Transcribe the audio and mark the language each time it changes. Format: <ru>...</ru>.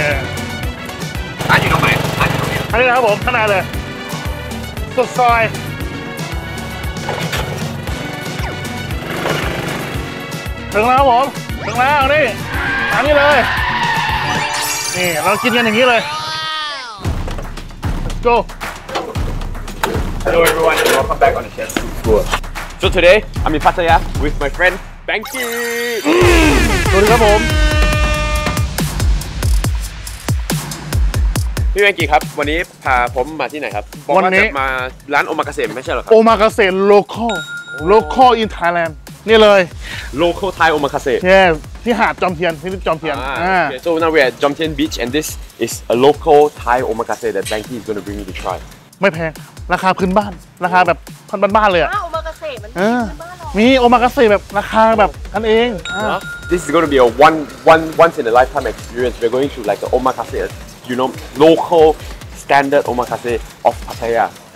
<th>นี่นะครับผมขนาดเลยสุดซอยถึงแล้วครับผมถึงแล้วนี่ทำนี่เลยนี่เรากินกันอย่างนี้เลย</th> <en>Let's go Hello everyone welcome back on the channel cool. So today I'm in Pattaya with my friend Banky</en> <th>สวัสดีครับผม พี่แมงกี้ครับวันนี้พาผมมาที่ไหนครับบอกว่าจะมาร้านโอมากาเสะไม่ใช่หรอครับ โอมากาเสะโลคอลโลคอลอินไทยแลนด์นี่เลย โลคอลไทยโอมากาเส ะที่หาดจอมเทียนที่จอมเทียน โซนาเวียจอมเทียนบีชและนี่คือโลคอลไทยโอมากาเสะที่แบงกี้จะนำมาให้ทดลอง ไม่แพงราคาพื้นบ้านราคาแบบพันบ้านๆเลยอะ โอมากาเสะมันพื้นบ้านหรอ มีโอมากาเสะแบบราคาแบบกันเอง</th> <en>This is going to be a once in a lifetime experience. We're going to like the omakase, you know, local standard omakase of Pattaya.</en>